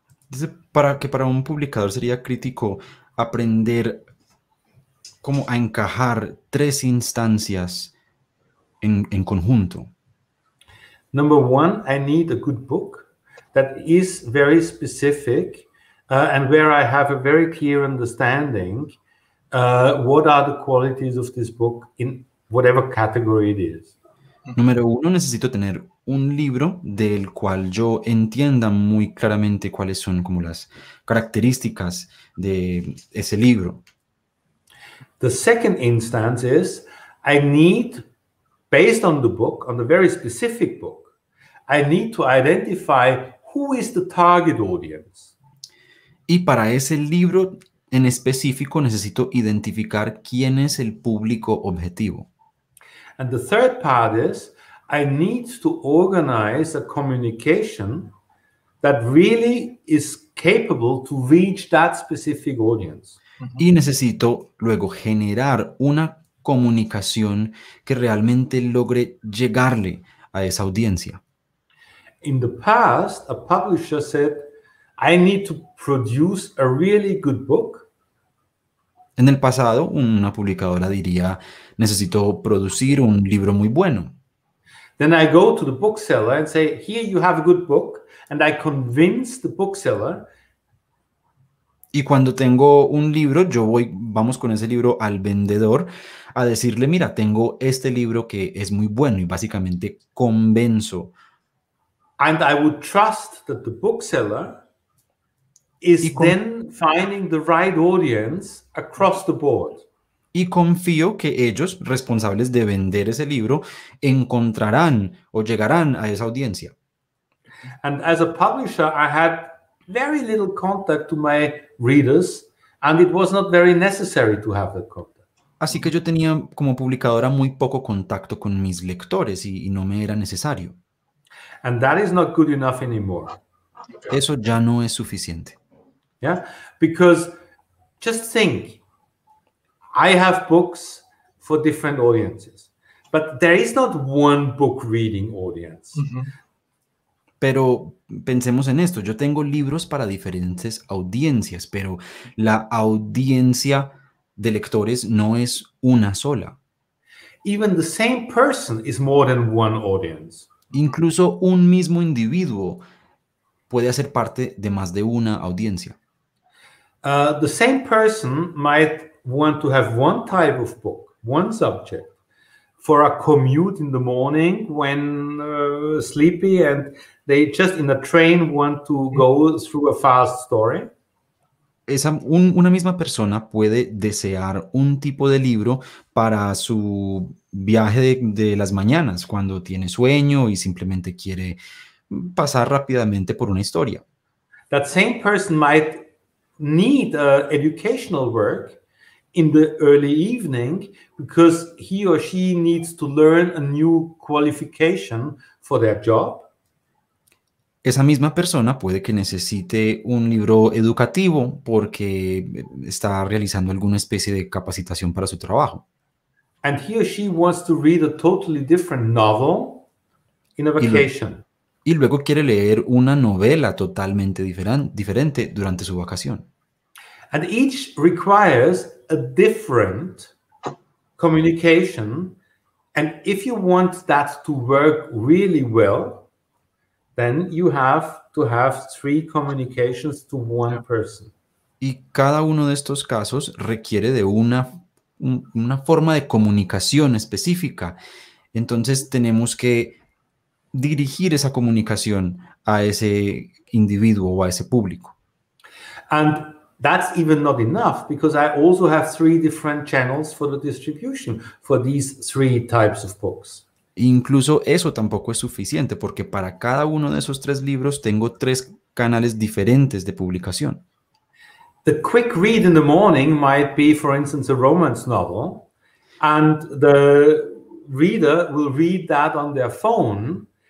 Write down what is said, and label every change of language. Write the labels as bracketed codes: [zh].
[es] Dice para un publicador sería crítico aprender cómo a encajar tres instancias en conjunto. [en] Number one, I need a good book that is very specific and where I have a very clear understanding what are the qualities of this book in whatever category it is. [es] Número uno, necesito tener un libro del cual yo entienda muy claramente cuáles son como las características de ese libro. [en] The second instance is I need, based on the book, on the very specific book, I need to identify who is the target audience. [es] Y para ese libro en específico necesito identificar quién es el público objetivo. [en] And the third part is I need to organize a communication that really is capable to reach that specific audience. [es] Y necesito luego generar una comunicación que realmente logre llegarle a esa audiencia. [en] In the past, a publisher said, I need to produce a really good book. [es] En el pasado, una publicadora diría, necesito producir un libro muy bueno. [en] Then I go to the bookseller and say, here you have a good book, and I convince the bookseller. [es] Y cuando tengo un libro, yo voy, vamos con ese libro al vendedor a decirle, mira, tengo este libro que es muy bueno y básicamente convenzo. [en] And I would trust that the bookseller is then finding the right audience across the board. [es] Y confío que ellos, responsables de vender ese libro, encontrarán o llegarán a esa audiencia. [en] And as a publisher, I had very little contact to my readers, and it was not very necessary to have that contact. [es] Así que yo tenía como publicadora muy poco contacto con mis lectores y no me era necesario. [en] And that is not good enough anymore. [es] Eso ya no es suficiente. [en] Yeah, because just think, I have books for different audiences, but there is not one book reading audience. Mm-hmm. [es] Pero pensemos en esto, yo tengo libros para diferentes audiencias, pero la audiencia de lectores no es una sola. [en] Even the same person is more than one audience. [es] Incluso un mismo individuo puede hacer parte de más de una audiencia. [en] The same person might want to have one type of book, one subject, for a commute in the morning when sleepy and they just in a train want to go through a fast story. [es] Una misma persona puede desear un tipo de libro para su viaje de las mañanas, cuando tiene sueño y simplemente quiere pasar rápidamente por una historia. [en] That same person might need an educational work in the early evening because he or she needs to learn a new qualification for their job. [es] Esa misma persona puede que necesite un libro educativo porque está realizando alguna especie de capacitación para su trabajo. [en] And he or she wants to read a totally different novel in a vacation. [es] Y luego quiere leer una novela totalmente diferente durante su vacación. [en] And each requires a different communication. And if you want that to work really well, then you have to have three communications to one person. [es] Y cada uno de estos casos requiere de una forma de comunicación específica. Entonces tenemos que dirigir esa comunicación a ese individuo o a ese público. [en] And that's even not enough because I also have three different channels for the distribution for these three types of books. [es] Incluso eso tampoco es suficiente porque para cada uno de esos tres libros tengo tres canales diferentes de publicación. [en] The quick read in the morning might be, for instance, a romance novel, and the reader will read that on their phone.